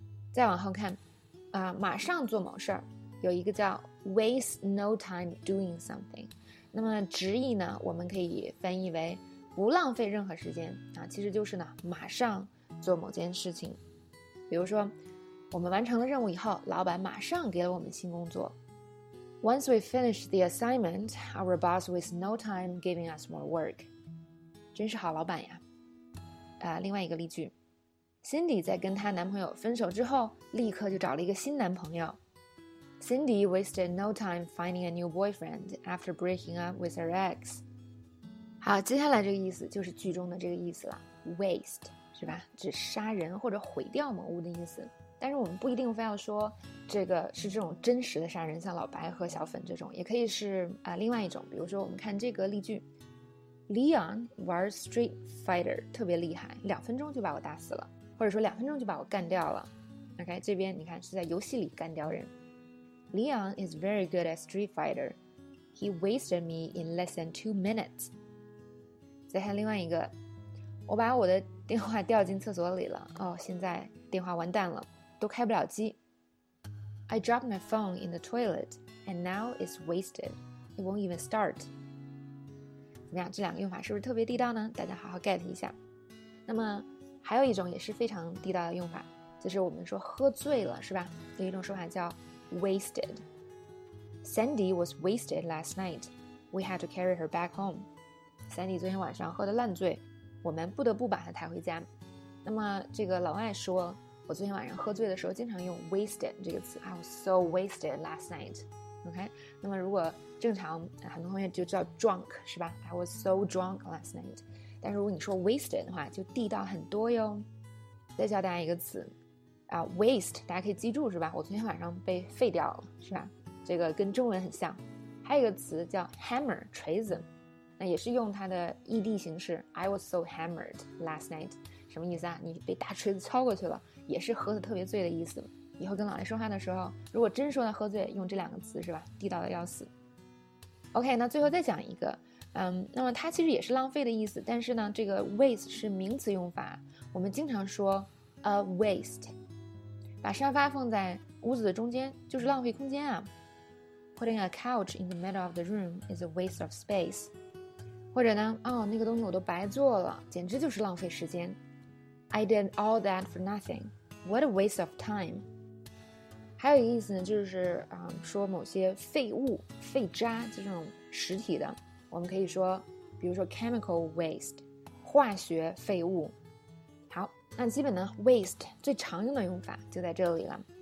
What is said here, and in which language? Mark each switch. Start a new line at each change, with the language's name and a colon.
Chinese: 再往后看，马上做某事儿，有一个叫
English: waste no time doing something。
Chinese: 那么直译呢，我们可以翻译为不浪费任何时间啊，其实就是呢，马上。做某件事情，比如说我们完成了任务以后，老板马上给了我们新工作。
English: Once we finish the assignment, our boss was no time giving us more work.
Chinese: 真是好老板呀。另外一个例句， Cindy 在跟她男朋友分手之后立刻就找了一个新男朋友。
English: Cindy wasted no time finding a new boyfriend after breaking up with her ex.
Chinese: 好，接下来这个意思就是句中的这个意思了， waste是吧？指杀人或者毁掉某物的意思，但是我们不一定非要说这个是这种真实的杀人，像老白和小粉这种，也可以是另外一种。比如说，我们看这个例句 ：Leon 玩 Street Fighter 特别厉害，两分钟就把我打死了，或者说两分钟就把我干掉了。 OK， 这边你看是在游戏里干掉人。
English: Leon is very good at Street Fighter. He wasted me in less than 2 minutes.
Chinese: 再看另外一个，我把我的电话掉进厕所里了，现在电话完蛋了，都开不了机。
English: I dropped my phone in the toilet and now it's wasted. It won't even start.
Chinese: 怎么样，这两个用法是不是特别地道呢？大家好好 get 一下。那么还有一种也是非常地道的用法，就是我们说喝醉了，是吧？有一种说法叫 wasted.
English: Sandy was wasted last night. We had to carry her back home.
Chinese: Sandy 昨天晚上喝得烂醉，我们不得不把他抬回家。那么这个老外说我昨天晚上喝醉的时候经常用 wasted 这个词。
English: I was so wasted last night. OK?
Chinese: 那么如果正常很多同学就叫 drunk, 是吧 ?
English: I was so drunk last night.
Chinese: 但是如果你说 wasted 的话就地道很多哟。再教大家一个词。 Waste, 大家可以记住是吧，我昨天晚上被废掉了是吧，这个跟中文很像。还有一个词叫 hammer, 锤子，那也是用它的 ED 形式
English: I was so hammered last night,
Chinese: 什么意思啊，你被大锤子敲过去了，也是喝得特别醉的意思。以后跟老爷说话的时候如果真说他喝醉用这两个词是吧，地道的要死。 OK, 那最后再讲一个，那么它其实也是浪费的意思，但是呢这个 waste 是名词用法，我们经常说 a waste,把沙发放在屋子的中间就是浪费空间啊。
English: Putting a couch in the middle of the room is a waste of space.
Chinese: 或者呢，哦，那个东西我都白做了，简直就是浪费时间。
English: I did all that for nothing. What a waste of time.
Chinese: 还有一个意思呢，就是说某些废物、废渣，就这种实体的，我们可以说，比如说 chemical waste, 化学废物。那基本呢 waste 最常用的用法就在这里了。